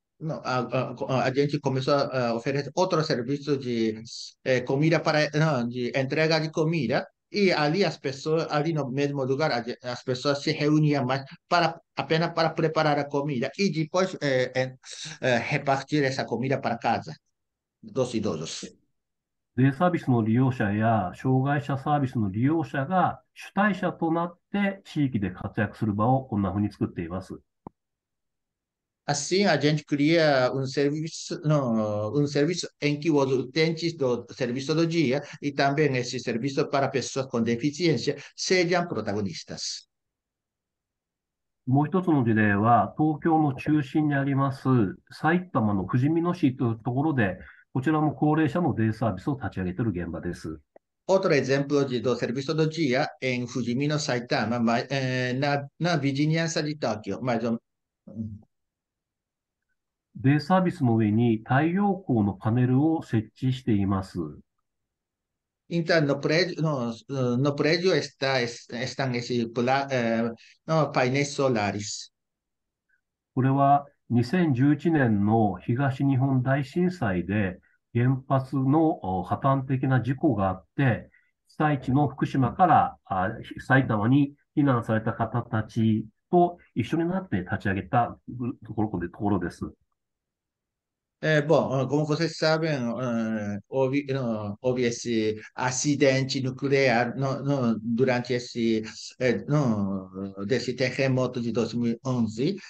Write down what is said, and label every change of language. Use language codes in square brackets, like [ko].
[pt] Não, a gente começou a oferecer outro serviço de comida para. Não, de entrega de comida, e ali as pessoas, ali no mesmo lugar, as pessoas se reuniam mais apenas para preparar a comida e depois repartir essa comida para casa dos idosos. [ja] デイサービスの利用者や障害者サービスの利用者が主体者となって地域で活躍する場をこんなふうに作っています。 [pt] Assim, a gente cria um serviço em que os utentes do serviço do dia e também esse serviço para pessoas com deficiência sejam protagonistas. [ja] もう一つの事例は、東京の中心にあります埼玉の富士見野市というところで、こちらも高齢者のデイサービスを立ち上げている現場です。 [pt] Outro exemplo do serviço do dia em Fuji Mino, Saitama, na vizinhança de Tóquio, mais um. [ja] デイサービスの上に太陽光のパネルを設置しています。 [pt] Então, no prédio estão esses painéis solares. [ja] これは2011年の東日本大震災で、原発の破綻的な事故があって、被災地の福島から埼玉に避難された方たちと一緒になって立ち上げたところです。 [pt] Bom, como vocês sabem, houve esse acidente nuclear no, no, durante esse no, desse terremoto de 2011.